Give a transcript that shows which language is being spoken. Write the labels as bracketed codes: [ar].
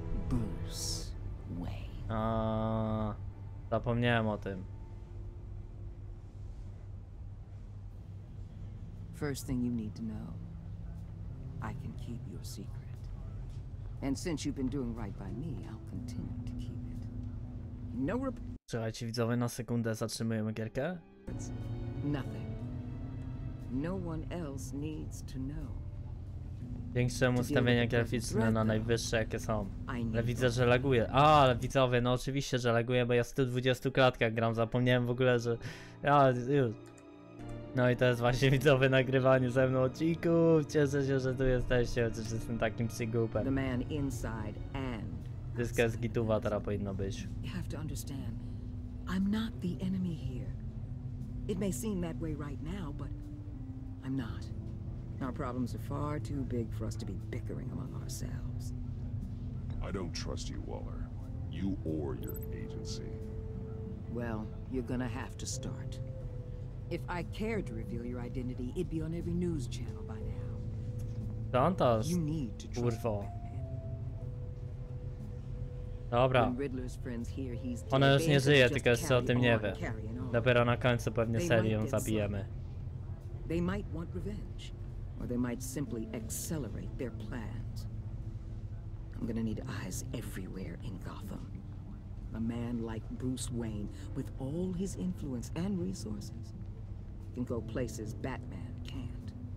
[en] Bruce Wayne. [pl] Zapomniałem o tym. [en] First thing you need to know, I can keep your secret. And since you've been doing right by me, I'll continue to keep it. No rep- [pl] Słuchajcie, widzowie, na sekundę zatrzymujemy gierkę. [en] Nothing. No one else needs to know. [pl] Większemu ustawienia graficzne na najwyższe, jakie są. Ale widzę, że laguje. A, ale widzowie, no oczywiście, że laguje, bo ja w 120 klatkach gram. Zapomniałem w ogóle, że... Ja, już. No i to jest właśnie, widzowie, nagrywanie ze mną odcinków. Cieszę się, że tu jesteście, że jestem takim przygłupem. [en] The man inside and... [pl] Wszystko z gituwa teraz powinno być. [en] You have to understand, I'm not the enemy here. It may seem that way right now, but I'm not. Our problems are far too big for us to be bickering among ourselves. I don't trust you, Waller. You or your agency. Well, you're gonna have to start. If I cared to reveal your identity, it'd be on every news channel by now. Santos, you need to trust me. [pl] Dobra. [en] When Riddler's friends hear he's dead, [pl] ona już nie żyje, tylko jeszcze o tym nie wie. Dopiero na końcu pewnie serii ją zabijemy. [en] They might want revenge, or they might simply accelerate their plans. I'm gonna need eyes everywhere in Gotham. A man like Bruce Wayne, with all his influence and resources, can go places Batman can't.